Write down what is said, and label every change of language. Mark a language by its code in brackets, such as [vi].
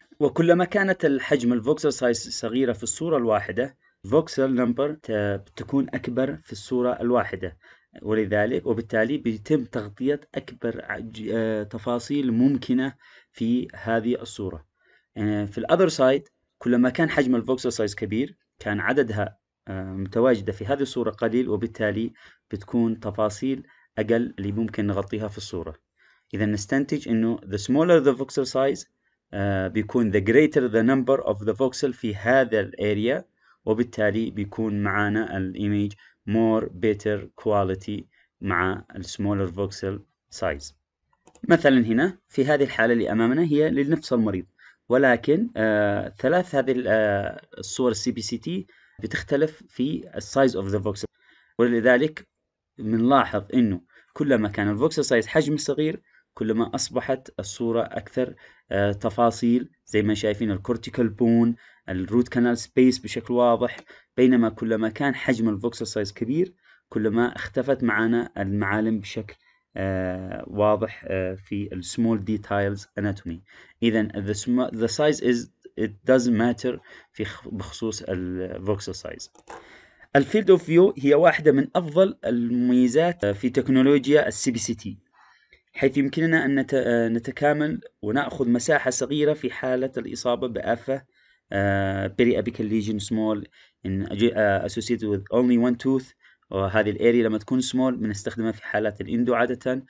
[ar] وكلما كانت الحجم الفوكسل سايز صغيرة في الصورة الواحدة، فوكسل نمبر بتكون أكبر في الصورة الواحدة، ولذلك وبالتالي بيتم تغطية أكبر تفاصيل ممكنة في هذه الصورة. في الأذر سايد، كلما كان حجم الفوكسل سايز كبير، كان عددها متواجدة في هذه الصورة قليل، وبالتالي بتكون تفاصيل أقل اللي ممكن نغطيها في الصورة. إذا نستنتج إنه [en] the smaller the voxel size [ar] بيكون [en] the greater the number of the voxel [ar] في هذا الأريا، وبالتالي بيكون معانا الإيميج [en] more better quality [ar] مع ال [en] smaller voxel size. [ar] مثلا هنا في هذه الحالة اللي أمامنا هي لنفس المريض، ولكن ثلاث هذه الصور سي بي سي تي بتختلف في [en] size of the voxel، [ar] ولذلك منلاحظ انه كلما كان الفوكسل سايز حجم صغير، كلما اصبحت الصوره اكثر تفاصيل، زي ما شايفين الكورتيكال بون، الروت كانال سبيس بشكل واضح، بينما كلما كان حجم الفوكسل سايز كبير، كلما اختفت معنا المعالم بشكل واضح في السمول ديتايلز اناتومي. اذا [en] the size is it does matter [ar] في بخصوص الفوكسل سايز. الفيلد اوف فيو هي واحدة من أفضل المميزات في تكنولوجيا السي بي سي تي، حيث يمكننا أن نتكامل ونأخذ مساحة صغيرة في حالة الإصابة بآفة [en] periapical lesion small in associate with only one tooth, [ar] وهذه الأريا لما تكون سمول بنستخدمها في حالات الإندو عادة.